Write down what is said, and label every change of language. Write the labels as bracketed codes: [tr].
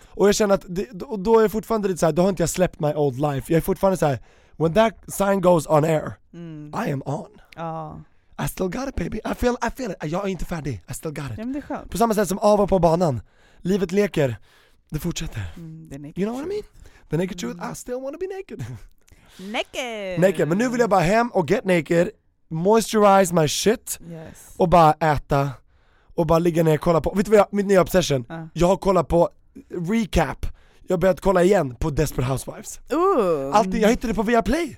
[sv] Och jag känner att det, och då är jag fortfarande lite så här, då har inte jag släppt [en] my old life. [sv] Jag är fortfarande så här, [en] when that sign goes on air, I am on. [sv] Ja. [en] I still got it, baby. I feel it. [sv] Jag är inte färdig. [en] I still got it. [sv] Ja, men det är skönt. På samma sätt som av och på banan. Livet leker. Det fortsätter. [en] The naked, you know what I mean? The naked truth, I still want to be naked. Naked. [sv] Men nu vill jag bara hem och [en] get naked, moisturize my shit, yes, [sv] och bara äta och bara ligga ner och kolla på. Vet du vad jag, mitt nya obsession? Jag har kollat på recap. Jag har börjat kolla igen på Desperate Housewives. Alltid, jag hittade det på Viaplay.